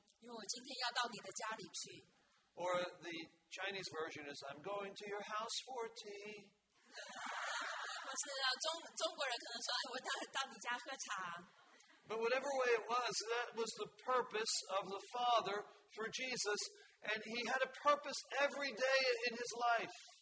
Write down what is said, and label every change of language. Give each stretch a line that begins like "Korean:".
English: Or the Chinese version is, I'm going to your house for tea.
Chinese: 不是啊,中国人可能说,我到你家喝茶。
English: But whatever way it was, that was the purpose of the Father for Jesus, and he had a purpose every day in his life.